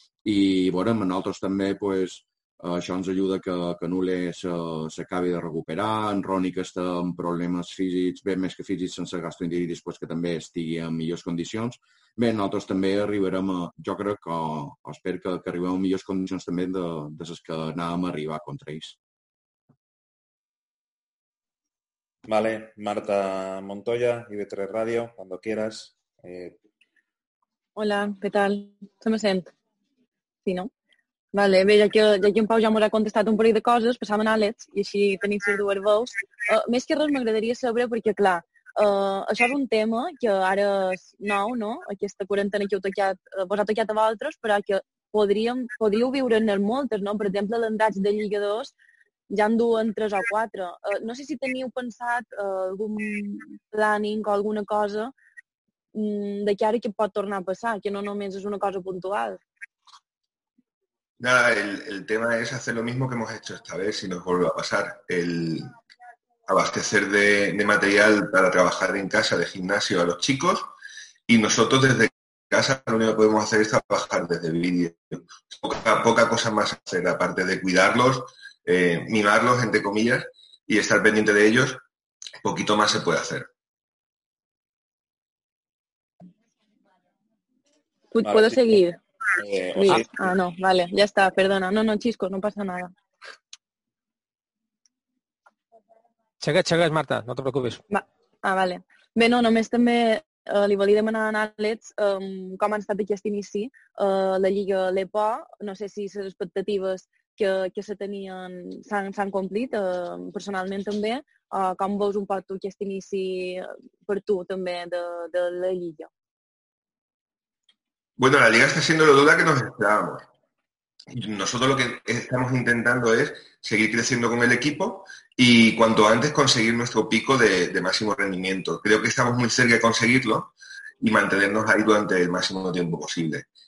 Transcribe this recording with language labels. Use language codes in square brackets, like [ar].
[ca] I veurem, nosaltres també, pues, això ens ajuda que Nules s'acabi de recuperar, en Roni que està amb problemes físics, bé, més que físics, sense gastroenteritis, pues, que també estigui en millors condicions. Bé, nosaltres també arribarem, jo crec que, o espero que arribem en millors condicions també de les que anàvem a arribar contra ells. [es] Vale, Marta Montoya, IB3 Radio, cuando quieras. [ca] Hola, què tal? Se me sent? Sí, no? Vale, bé, ja que en Pau ja m'haurà contestat un parell de coses, passam en Àlex i així tenim les dues veus. Més que res m'agradaria saber, perquè clar, això és un tema que ara és nou, no? Aquesta quarantena que vos ha tocat a vosaltres, però que podríeu viure-ne moltes, no? Per exemple, l'endats de lligadors ja en duen 3 o 4. No sé si teniu pensat algun planning o alguna cosa de cara que pot tornar a passar, que no només és una cosa puntual. [es] Nada, el tema es hacer lo mismo que hemos hecho esta vez si nos vuelve a pasar. El abastecer de material para trabajar en casa, de gimnasio a los chicos. Y nosotros desde casa lo único que podemos hacer es trabajar desde vídeo. Poca cosa más hacer, aparte de cuidarlos, mimarlos, entre comillas, y estar pendiente de ellos, poquito más se puede hacer. ¿Puedo Vale, chicos. seguir? Sí. Ah, no, vale, ya está, perdona. No, no, Chisco, no pasa nada. Chega, Marta, no te preocupes. Ah, vale. [ca] Bé, no, només també li volia demanar a l'Àlex com ha estat aquest inici la Lliga Lepo. No sé si les expectatives que se tenien s'han complit personalment també, o com veus un poc tu aquest inici per tu també de la Lliga? [es] Bueno, la liga está siendo la duda que nos esperábamos. Nosotros lo que estamos intentando es seguir creciendo con el equipo y cuanto antes conseguir nuestro pico de máximo rendimiento. Creo que estamos muy cerca de conseguirlo y mantenernos ahí durante el máximo tiempo posible.